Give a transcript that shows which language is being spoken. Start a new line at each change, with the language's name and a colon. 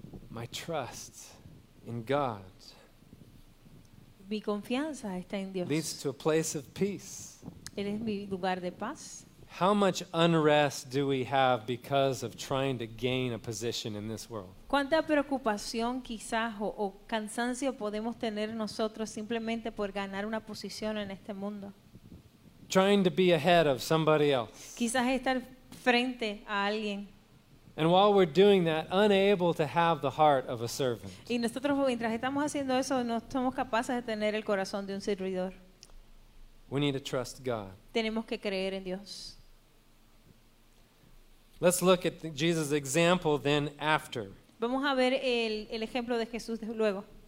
English: My trust in God.
Spanish: Mi confianza está en Dios.
English: Leads to a place of peace.
Spanish: Él es mi lugar de paz.
English: How much unrest do we have because of trying to gain a position in this world?
Spanish: ¿Cuánta preocupación quizás o cansancio podemos tener nosotros simplemente por ganar una posición en este mundo?
English: Trying to be ahead of somebody else.
Spanish: Quizás estar frente a alguien.
English: And while we're doing that, unable to have the heart of a servant.
Spanish: Y nosotros mientras estamos haciendo eso, no somos capaces de tener el corazón de un servidor.
English: We need to trust God.
Spanish: Tenemos que creer en Dios.
English: Let's look at Jesus' example then after.
Spanish: Vamos a ver el ejemplo de Jesús de luego.